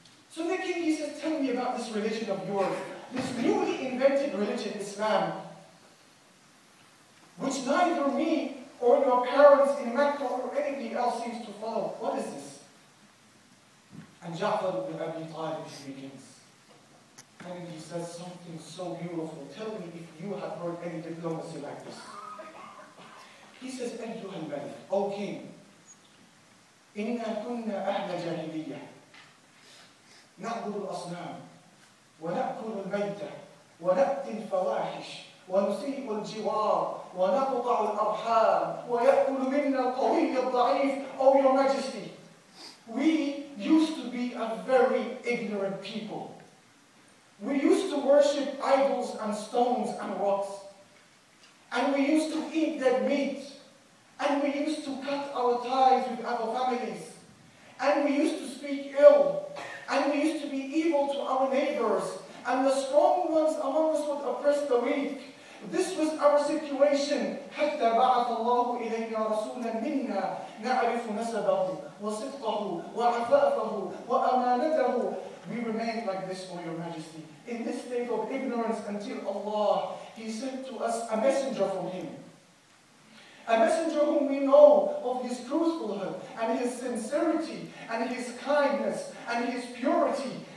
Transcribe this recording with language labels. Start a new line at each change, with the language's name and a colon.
English: So the king, he said, tell me about this religion of yours, this newly invented religion, Islam, which neither me or your parents in Mecca or anything else seems to follow. What is this? And Ja'far ibn Abi Talib begins. And he says something so beautiful. Tell me if you have heard any diplomacy like this.
Arabic: He says, أيها الملك,
English: O King,
Arabic: إنا كنا أهل جاهلية نعبد الأصنام ونأكل الميتة ونأتي الفواحش ونسيء الجوار ونقطع الأرحام ويأكل منا القوي الضعيف.
English: O Your Majesty, we used to be a very ignorant people. We used to worship idols and stones and rocks. And we used to eat dead meat. And we used to cut our ties with our families. And we used to speak ill. And we used to be evil to our neighbors. And the strong ones among us would oppress the weak. This was our situation.
Arabic: حتى بعث الله إلينا رسولا منا نعرف نسبه وصدقه وعفافه وأمانته.
English: We remained like this, O Your Majesty, in this state of ignorance until Allah, He sent to us a messenger from Him. A messenger whom we know of His truthfulness and His sincerity and His kindness and His purity.